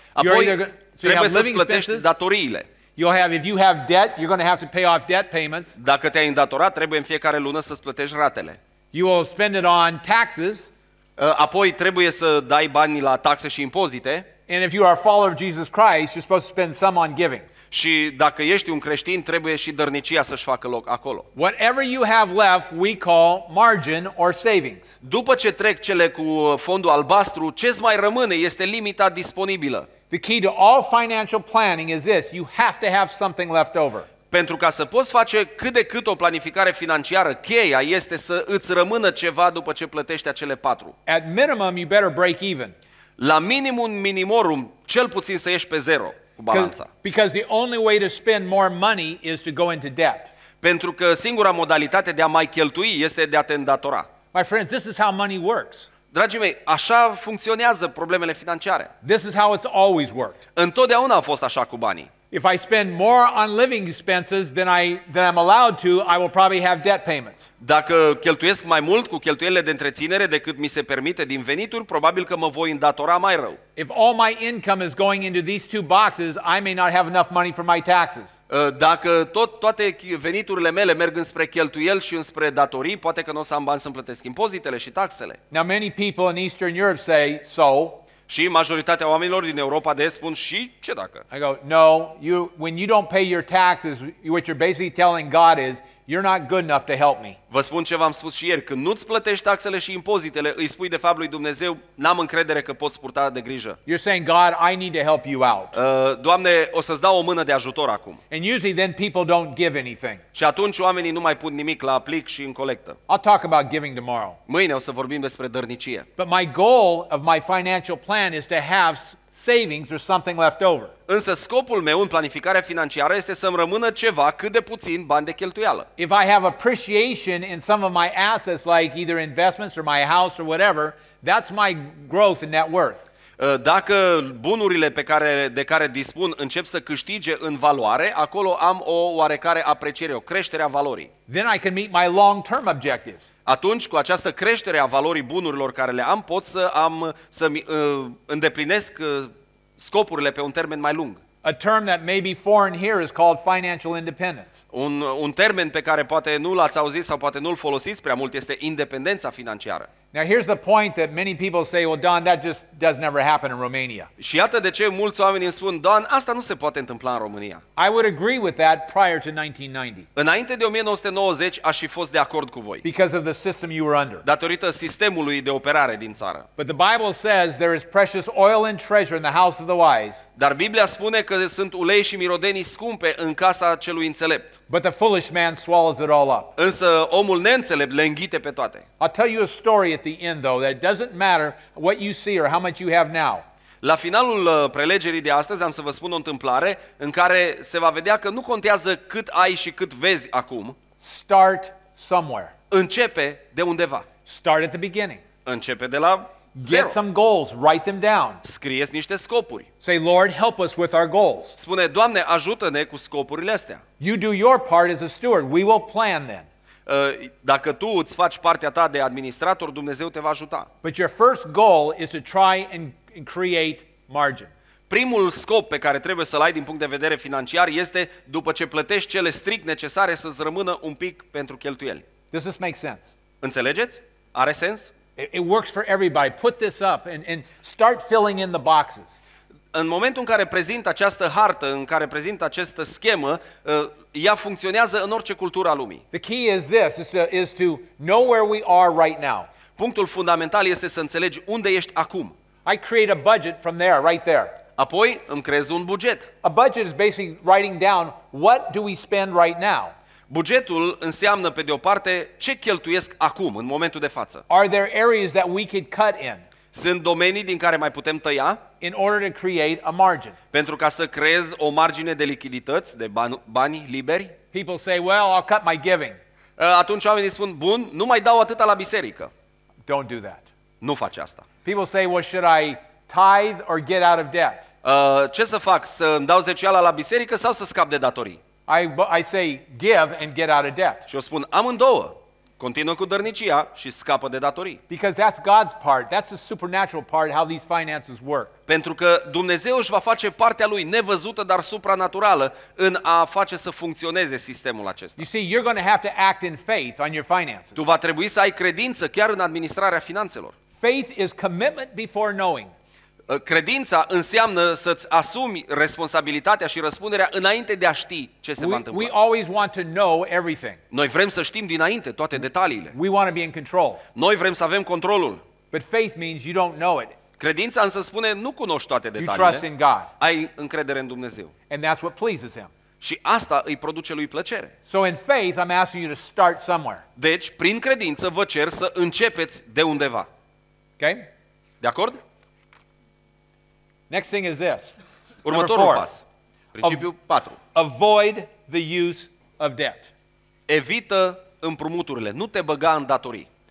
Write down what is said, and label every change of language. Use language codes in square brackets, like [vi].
[ro] Apoi, trebuie să-ți plătești datoriile. [en] If you have debt, you're going to have to pay off debt payments. [ro] Dacă te-ai îndatorat, trebuie în fiecare lună să-ți plătești ratele. [en] You will spend it on taxes. [ro] Apoi, trebuie să dai banii la taxe și impozite. [en] And if you are a follower of Jesus Christ, you're supposed to spend some on giving. [ro] Și dacă ești un creștin, trebuie și dărnicia să-și facă loc acolo. [en] Whatever you have left, we call margin or savings. [ro] După ce trec cele cu fondul albastru, ce-ți mai rămâne este limita disponibilă. [en] The key to all financial planning is this: you have to have something left over. [ro] Pentru ca să poți face cât de cât o planificare financiară, cheia este să îți rămână ceva după ce plătești acele patru. [en] At minimum, you better break even. [ro] La minimum, minimorum, cel puțin să ieși pe zero. [en] Because the only way to spend more money is to go into debt. [ro] Pentru că singura modalitate de a mai cheltui este de a te îndatora. [en] My friends, this is how money works. [ro] Dragii mei, așa funcționează problemele financiare. [en] This is how it's always worked. [ro] Întotdeauna a fost așa cu banii. [en] If I spend more on living expenses than I'm allowed to, I will probably have debt payments. [ro] Dacă cheltuiesc mai mult cu cheltuielile de întreținere decât mi se permite din venituri, probabil că mă voi îndatora mai rău. [en] If all my income is going into these two boxes, I may not have enough money for my taxes. [ro] Dacă toate veniturile mele merg înspre cheltuieli și înspre datorii, poate că nu o să am bani să-mi plătesc impozitele și taxele. [en] Now many people in Eastern Europe say, so. [ro] Și majoritatea oamenilor din Europa de Est spun și ce dacă? [en] I go, no, you when you don't pay your taxes, what you're basically telling God is you're not good enough to help me. [ro] Vă spun ce v-am spus și ieri, când nu-ți plătești taxele și impozitele, îi spui de fapt lui Dumnezeu, n-am încredere că poți purta de grijă. [en] You're saying, God, I need to help you out. [ro] Doamne, o să-ți dau o mână de ajutor acum. [en] And usually then people don't give anything. [ro] Și atunci oamenii nu mai pun nimic la plic și în colectă. [en] I'll talk about giving tomorrow. [ro] Mâine o să vorbim despre dărnicie. [en] But my goal of my financial plan is to have savings or something left over. [ro] Însă scopul meu în planificarea financiară este să-mi rămână ceva, cât de puțin, bani de cheltuială. [en] If I have appreciation in some of my assets like either investments or my house or whatever, that's my growth in net worth. [ro] Dacă bunurile de care dispun încep să câștige în valoare, acolo am o oarecare apreciere, o creștere a valorii. [en] Then I can meet my long-term objectives. [ro] Atunci, cu această creștere a valorii bunurilor care le am, pot să îndeplinesc scopurile pe un termen mai lung. [en] A term that may be foreign here is called financial independence. [ro] Un termen pe care poate nu l-ați auzit sau poate nu-l folosiți prea mult este independența financiară. [en] Now here's the point that many people say, well Don, that just does never happen in Romania. [ro] Și iată de ce mulți oameni îmi spun, Don, asta nu se poate întâmpla în România. [en] I would agree with that prior to 1990. [ro] Înainte de 1990 aș fi fost de acord cu voi. [en] Because of the system you were under. [ro] Datorită sistemului de operare din țară. [en] But the Bible says there is precious oil and treasure in the house of the wise. [ro] Dar Biblia spune că sunt ulei și mirodenii scumpe în casa celui înțelept. [en] But the foolish man swallows it all up. [ro] Însă omul neînțelept le înghite pe toate. [en] I'll tell you a story at the end though that doesn't matter what you see or how much you have now. [ro] La finalul prelegerii de astăzi am să vă spun o întâmplare în care se va vedea că nu contează cât ai și cât vezi acum. [en] Start somewhere. [ro] Începe de undeva. [en] Start at the beginning. [ro] Începe de la get zero. [en] Some goals, write them down. [ro] Scrieți niște scopuri. [en] Say, Lord, help us with our goals. [ro] Spune, Doamne, ajută-ne cu scopurile astea. [en] You do your part as a steward. We will plan then. [ro] Dacă tu îți faci partea ta de administrator, Dumnezeu te va ajuta. [en] But your first goal is to try and create margin. [ro] Primul scop pe care trebuie să-l ai din punct de vedere financiar este după ce plătești cele strict necesare să-ți rămână un pic pentru cheltuieli. [en] Does this make sense? [ro] Înțelegeți? Are sens? [en] It works for everybody. Put this up and start filling in the boxes. [ro] în momentul în care prezint această hartă, în care prezint această schemă, ea funcționează în orice cultură a lumii. [en] The key is this, is to know where we are right now. [ro] Punctul fundamental este să înțelegi unde ești acum. [en] I create a budget from there, right there. [ro] Apoi îmi creez un buget. [en] A budget is basically writing down what do we spend right now. [ro] Bugetul înseamnă, pe de o parte, ce cheltuiesc acum, în momentul de față. [en] Are there areas that we could cut in? [ro] Sunt domenii din care mai putem tăia? [en] In order to create a margin. [ro] Pentru ca să creez o margine de lichidități, de bani liberi? [en] People say, well, I'll cut my giving. [ro] Atunci oamenii spun, bun, nu mai dau atâta la biserică. [en] Don't do that. [ro] Nu faci asta. [en] People say, well, should I tithe or get out of debt? [ro] Ce să fac, să îmi dau zeciuiala la biserică sau să scap de datorii? [en] I say give and get out of debt. [ro] Și o spun amândouă. Continuă cu dărnicia și scapă de datorii. [en] Because that's God's part. That's the supernatural part how these finances work. [ro] Pentru că Dumnezeu își va face partea lui nevăzută dar supranaturală în a face să funcționeze sistemul acesta. [en] You see, you're going to have to act in faith on your finances. [ro] Tu va trebui să ai credință chiar în administrarea finanțelor. [en] Faith is commitment before knowing. [ro] Credința înseamnă să-ți asumi responsabilitatea și răspunderea înainte de a ști ce se va întâmpla. [en] We always want to know everything. [ro] Noi vrem să știm dinainte toate detaliile. [en] We want to be in control. [ro] Noi vrem să avem controlul. [en] But faith means you don't know it. [ro] Credința însă spune nu cunoști toate detaliile. [en] You trust in God. [ro] Ai încredere în Dumnezeu. [en] And that's what pleases him. [ro] Și asta îi produce lui plăcere. [en] So in faith I'm asking you to start somewhere. [ro] Deci prin credință vă cer să începeți de undeva. [en] Okay? [ro] De acord? [en] Next thing is this. [ro] Următorul pas. Principiul 4. [en] Avoid the use of debt. [ro] Evită împrumuturile, nu te băga în datorii.